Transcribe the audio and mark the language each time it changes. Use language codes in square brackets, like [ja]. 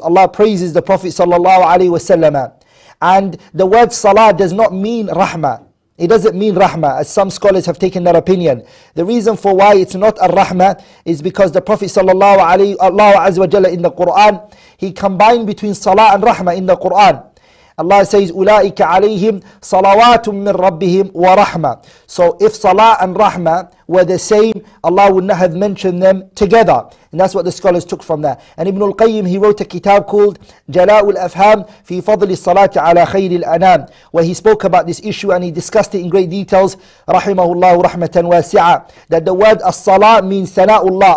[en] Allah praises the Prophet sallallahu alayhi wa sallam. And the word salah does not mean rahmah. It doesn't mean rahmah, as some scholars have taken that opinion. The reason for why it's not a rahmah is because the Prophet sallallahu alayhi Allah azza wa jalla in the Quran, he combined between salah and rahmah in the Quran. Allah says, [ar] أُولَٰئِكَ عَلَيْهِمْ صَلَوَاتٌ مِّن رَبِّهِمْ وَرَحْمَةٌ. [en] So if salah and rahmah were the same, Allah would not have mentioned them together. And that's what the scholars took from that. And Ibn al-Qayyim, he wrote a kitab called [ar] جَلَاءُ الْأَفْهَامِ فِي فَضْلِ الصَّلَاةِ عَلَىٰ خَيْرِ الْأَنَامِ, [en] where he spoke about this issue and he discussed it in great details. [ar] رَحِمَهُ اللَّهُ رَحْمَةً وَاسِعَةً, [en] that the word as-salah means sana'ullah.